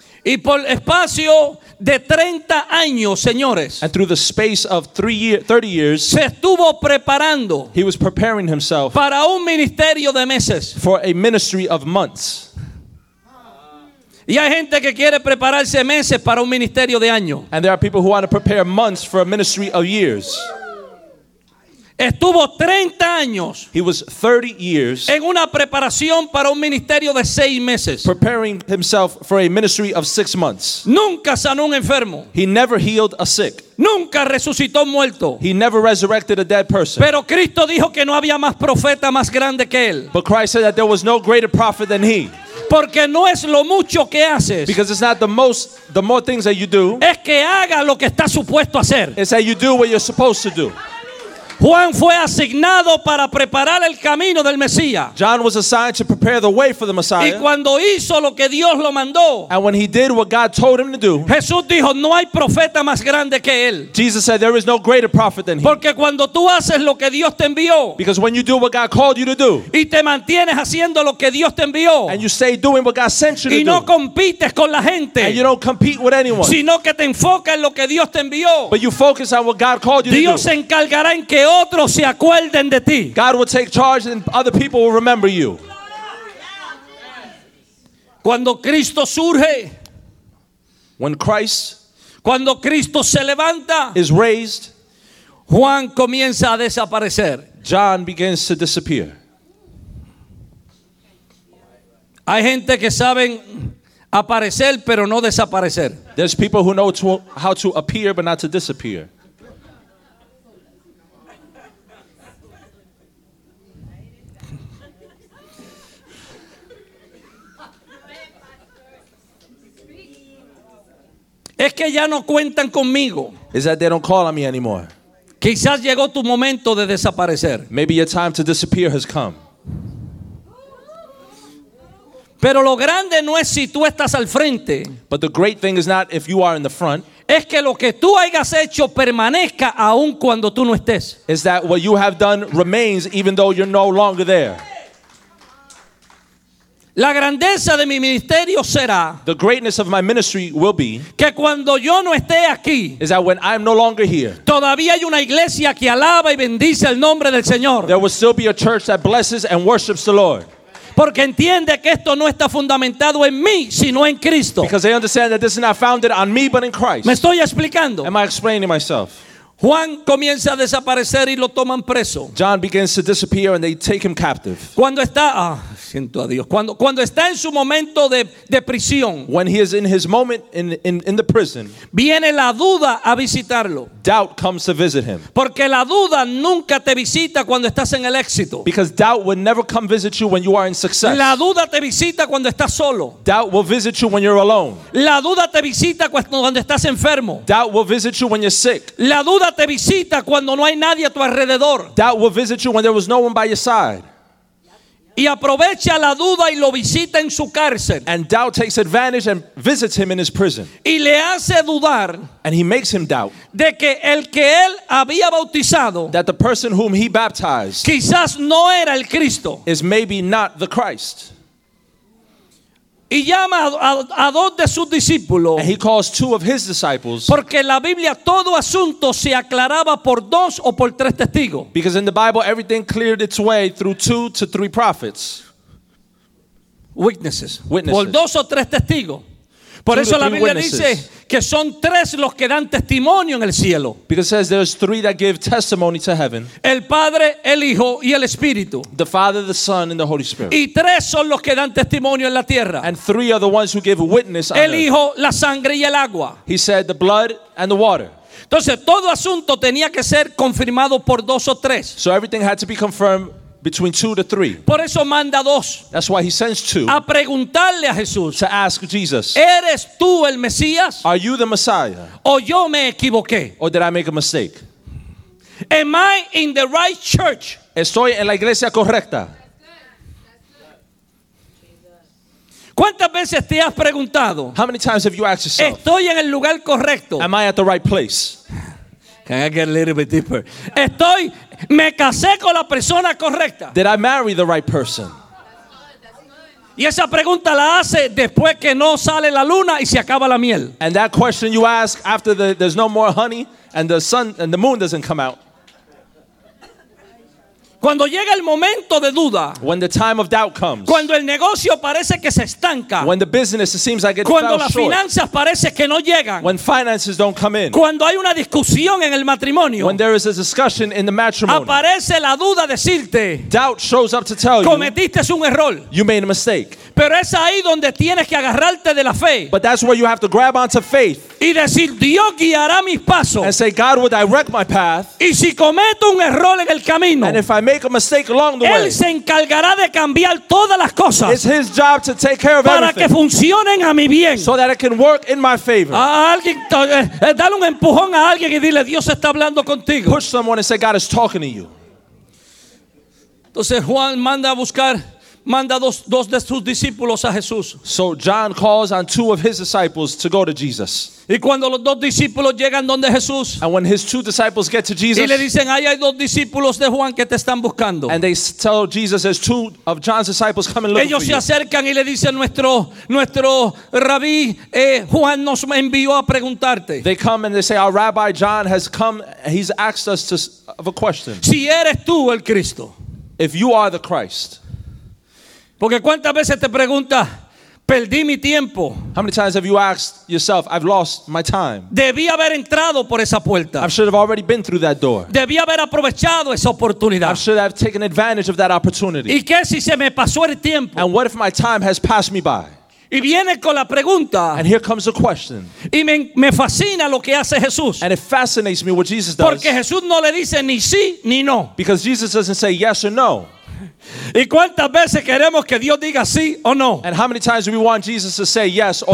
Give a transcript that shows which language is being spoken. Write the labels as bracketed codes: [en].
[es] Y por espacio de 30 años, señores. [en] And through the space of 30 years. [es] Se estuvo preparando. [en] He was preparing himself. [es] Para un ministerio de meses. [en] For a ministry of months. [es] Y hay gente que quiere prepararse meses para un ministerio de años. [en] And there are people who want to prepare months for a ministry of years. [es] Estuvo 30 años. [en] He was 30 years. [es] En una preparación para un ministerio de 6 meses. [en] Preparing himself for a ministry of 6 months. [es] Nunca sanó un enfermo. [en] He never healed a sick. [es] Nunca resucitó muerto. [en] He never resurrected a dead person. [es] Pero Cristo dijo que no había más profeta más grande que él. [en] But Christ said that there was no greater prophet than he. [es] Porque no es lo mucho que haces. [en] Because it's not the more things that you do. [es] Es que haga lo que está supuesto hacer. [en] It's that you do what you're supposed to do. [es] Juan fue asignado para preparar el camino del Mesías. [en] John was assigned to prepare the way for the Messiah. [es] Y cuando hizo lo que Dios lo mandó. [en] And when he did what God told him to do. [es] Jesús dijo, no hay profeta más grande que él. [en] Jesus said, there is no greater prophet than him. [es] Porque cuando tú haces lo que Dios te envió. [en] Because when you do what God called you to do. [es] Y te mantienes haciendo lo que Dios te envió. [en] And you stay doing what God sent you to do. [es] Y no compites con la gente. [en] And you don't compete with anyone. [es] Sino que te enfocas en lo que Dios te envió. [en] But you focus on what God called you to do. [es] Dios se encargará en que otros se acuerden de ti. [en] God will take charge and other people will remember you. [es] Cuando Cristo surge, [en] when Christ, [es] cuando Cristo se levanta, [en] is raised, [es] Juan comienza a desaparecer. [en] John begins to disappear. [es] Hay gente que saben aparecer pero no desaparecer. [en] There's people who know how to appear but not to disappear. [es] Es que ya no cuentan conmigo. [en] Is that they don't call on me anymore. [es] Quizás llegó tu momento de desaparecer. [en] Maybe your time to disappear has come. [es] Pero lo grande no es si tú estás al frente. [en] But the great thing is not if you are in the front. [es] Es que lo que tú hayas hecho permanezca aun cuando tú no estés. [en] Is that what you have done remains even though you're no longer there. [es] La grandeza de mi ministerio será. [en] The greatness of my ministry will be. [es] Que cuando yo no esté aquí. [en] Is that when I am no longer here. [es] Todavía hay una iglesia que alaba y bendice el nombre del Señor. [en] There will still be a church that blesses and worships the Lord. [es] Porque entiende que esto no está fundamentado en mí, sino en Cristo. [en] Because they understand that this is not founded on me, but in Christ. [es] Me estoy explicando. [en] Am I explaining myself? [es] Juan comienza a desaparecer y lo toman preso. [en] John begins to disappear and they take him captive. [es] Cuando está. siento a Dios. Cuando está en su momento de prisión. [en] When he is in his moment in the prison. [es] Viene la duda a visitarlo. [en] Doubt comes to visit him. [es] Porque la duda nunca te visita cuando estás en el éxito. [en] Because doubt will never come visit you when you are in success. [es] La duda te visita cuando estás solo. [en] Doubt will visit you when you're alone. [es] La duda te visita cuando estás enfermo. [en] Doubt will visit you when you're sick. [es] La duda te visita cuando no hay nadie a tu alrededor. [en] Doubt will visit you when there was no one by your side. [es] Y aprovecha la duda y lo visita en su cárcel. [en] And doubt takes advantage and visits him in his prison. [es] Y le hace dudar. [en] And he makes him doubt. [es] De que el que él había bautizado. [en] That the person whom he baptized. [es] Quizás no era el Cristo. [en] Is maybe not the Christ. [es] Y llama a dos de sus discípulos. [en] And he calls two of his disciples. [es] Porque la Biblia todo asunto se aclaraba por dos o por tres testigos. [en] Because in the Bible everything cleared its way through two to three prophets. Witnesses. [es] Por dos o tres testigos. Por [en] two [es] eso la Biblia dice que son tres los que dan testimonio en el cielo. [en] Because it says there's three that give testimony to heaven. [es] El Padre, el Hijo y el Espíritu. [en] The Father, the Son and the Holy Spirit. [es] Y tres son los que dan testimonio en la tierra. [en] And three are the ones who give witness on earth. [es] El Hijo, la sangre y el agua. [en] He said the blood and the water. [es] Entonces todo asunto tenía que ser confirmado por dos o tres. [en] So everything had to be confirmed between two to three. [es] Por eso manda dos. [en] That's why he sends two. [es] A preguntarle a Jesús. [en] To ask Jesus. [es] ¿Eres tú el Mesías? [en] Are you the Messiah? [es] ¿O yo me equivoqué? [en] Or did I make a mistake? Am I in the right church? [es] Estoy en la iglesia correcta. ¿Cuántas veces te has preguntado? [en] How many times have you asked yourself? [es] ¿Estoy en el lugar correcto? [en] Am I at the right place? Can I get a little bit deeper? [es] Estoy, me casé con la persona correcta. [en] Did I marry the right person? [es] Y esa pregunta la hace después que no sale la luna y se acaba la miel. [en] And that question you ask after there's no more honey and the sun and the moon doesn't come out. [es] Cuando llega el momento de duda. [en] When the time of doubt comes. [es] Cuando el negocio parece que se estanca. [en] When the business, it seems like it [es] cuando [en] fell [es] las finanzas [en] short. [es] Parece que no llegan. [en] When finances don't come in. [es] Cuando hay una discusión en el matrimonio. [en] When there is a discussion in the matrimony. [es] Aparece la duda decirte. [en] Doubt shows up to tell you. [es] Cometiste un error. [en] You made a mistake. [es] Pero es ahí donde tienes que agarrarte de la fe. [en] But that's where you have to grab onto faith. [es] Y decir Dios guiará mis pasos. [en] And say God will direct my path. [es] Y si cometo un error en el camino. [en] And if I make a mistake along the way. [es] Él se encargará de cambiar todas las cosas. [en] It's his job to take care of everything. [es] Para que funcionen a mi bien. [en] So that it can work in my favor. [es] A alguien, dale un empujón a alguien y dile Dios está hablando contigo. [en] Push someone and say God is talking to you. [es] Entonces Juan manda a buscar. Manda dos de sus discípulos a Jesús. [en] So John calls on two of his disciples to go to Jesus. [es] Y cuando los dos discípulos llegan donde Jesús. [en] And when his two disciples get to Jesus. [es] Y le dicen, ahí hay dos discípulos de Juan que te están buscando. [en] And they tell Jesus, there's two of John's disciples coming looking for you. [es] Ellos se acercan y le dicen, nuestro rabí Juan nos envió a preguntarte. [en] They come and they say, our rabbi John has come, he's asked us of a question. [es] Si eres tú el Cristo. [en] If you are the Christ. [es] Porque cuántas veces te preguntas, perdí mi tiempo. [en] How many times have you asked yourself, I've lost my time. [es] Debí haber entrado por esa puerta. [en] I should have already been through that door. [es] Debí haber aprovechado esa oportunidad. [en] I should have taken advantage of that opportunity. [es] ¿Y qué si se me pasó el tiempo? [en] And what if my time has passed me by? [es] Y viene con la pregunta. [en] And here comes the question. [es] Y me fascina lo que hace Jesús. [en] And it fascinates me what Jesus does. [es] Porque Jesús no le dice ni sí ni no. [en] Because Jesus doesn't say yes or no. [es] ¿Y cuántas veces queremos que Dios diga sí o no? [en] And how many times do we want Jesus to say yes or